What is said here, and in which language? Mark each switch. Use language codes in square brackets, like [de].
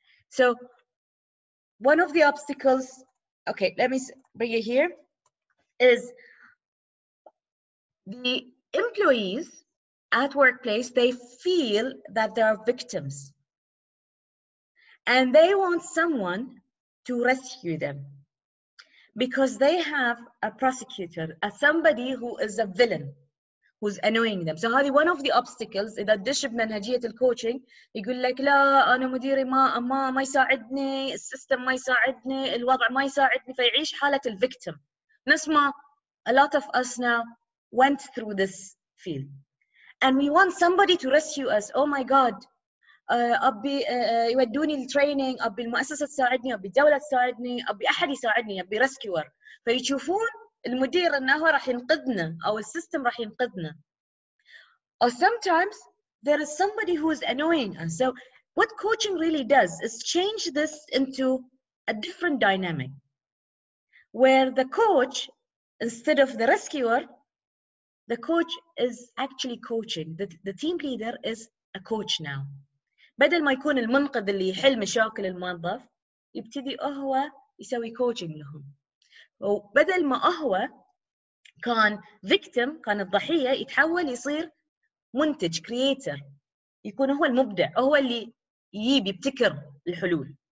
[en] So one of the obstacles, okay, let me bring it here, is the employees at workplace, they feel that they are victims. And they want someone to rescue them because they have a prosecutor, a somebody who is a villain, who's annoying them. So [ar] هذه [en] one of the obstacles [ar] إذا دش بمنهجية الكوتشنج يقول لك لا أنا مديري ما يساعدني، السيستم ما يساعدني، الوضع ما يساعدني، فيعيش حالة الفيكتم. نفس ما [en] a lot of us now went through this feel. And we want somebody to rescue us. Oh my God. [ar] أبي يودوني للتريننج، أبي المؤسسة تساعدني، أبي الدولة تساعدني، أبي أحد يساعدني، أبي rescuer. فيشوفون المدير أنه راح ينقذنا أو السيستم راح ينقذنا. [en] Or sometimes there is somebody who is annoying us. So what coaching really does is change this into a different dynamic where the coach, instead of the rescuer, the coach is actually coaching. The team leader is a coach now. [ar] بدل ما يكون المنقذ اللي يحل مشاكل الموظف يبتدي هو يسوي كوتشنج لهم، وبدل ما هو كان فيكتيم كان الضحيه يتحول يصير منتج كرييتر، يكون هو المبدع، هو اللي يجيب يبتكر الحلول.